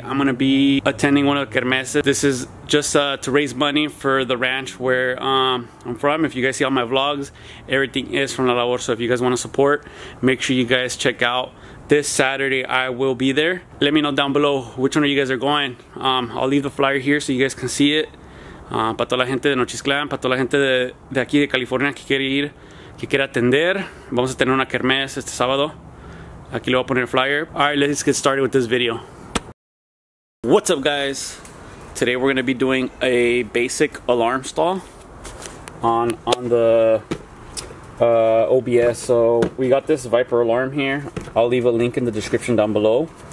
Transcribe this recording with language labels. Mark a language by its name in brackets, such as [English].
[English] I'm going to be attending one of the kermesses. This is just to raise money for the ranch where I'm from. If you guys see all my vlogs, everything is from La Labor. So if you guys want to support, make sure you guys check out. This Saturday, I will be there. Let me know down below which one of you guys are going. I'll leave the flyer here so you guys can see it. [Spanish] Para toda la gente de Nochisclan, para toda la gente de aquí de California que quiere ir, que quiere atender. Vamos a tener una kermes este sábado. Aquí le voy a poner el flyer. [English] All right, let's get started with this video. What's up, guys? Today, we're going to be doing a basic alarm stall on the OBS. So we got this Viper alarm here. I'll leave a link in the description down below.